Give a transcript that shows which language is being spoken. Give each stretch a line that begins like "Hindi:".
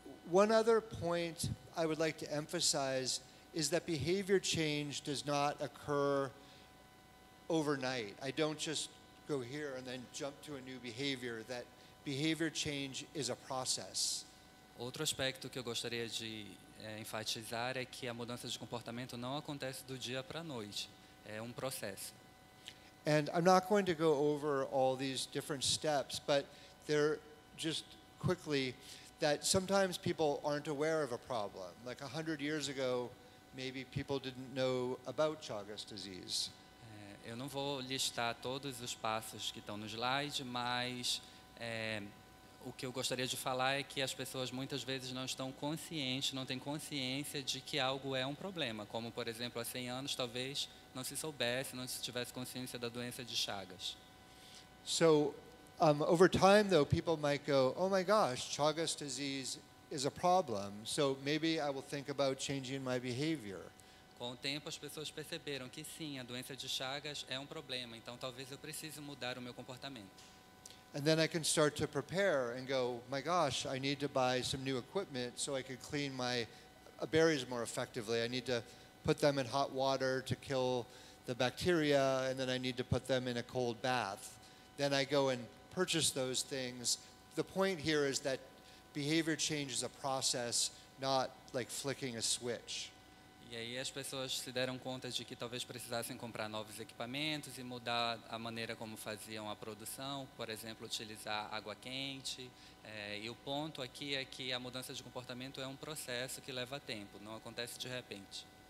English: One other point I would like to emphasize is that behavior change does not occur overnight. I don't just go here and then jump to a new behavior. That behavior change is a process.
Portuguese: Outro aspecto que eu gostaria de enfatizar é que a mudança de comportamento não acontece do dia para a noite. É um processo.
English: And I'm not going to go over all these different steps, but they're just quickly that sometimes people aren't aware of a problem. Like 100 years ago, maybe people didn't know about Chagas disease.
Portuguese: Eu não vou listar todos os passos que estão no slide, mas o que eu gostaria de falar é que as pessoas muitas vezes não estão conscientes, não têm consciência de que algo é um problema, como, por exemplo, há 100 anos talvez não se soubesse, não se tivesse consciência da doença de Chagas.
English: So, over time, though, people might go, oh my gosh, Chagas disease is a problem, so maybe I will think about changing my behavior.
Portuguese: Com o tempo, as pessoas perceberam que sim, a doença de Chagas é um problema, então talvez eu precise mudar o meu comportamento.
English: And then I can start to prepare and go, my gosh, I need to buy some new equipment so I can clean my berries more effectively. I need to put them in hot water to kill the bacteria, and then I need to put them in a cold bath. Then I go and purchase those things. The point here is that behavior change is a process, not like flicking a switch.
Portuguese: E aí as pessoas se deram conta de que talvez precisassem comprar novos equipamentos e mudar a maneira como faziam a produção, por exemplo, utilizar água quente. E o ponto aqui é que a mudança de comportamento é um processo que leva tempo, não acontece de repente.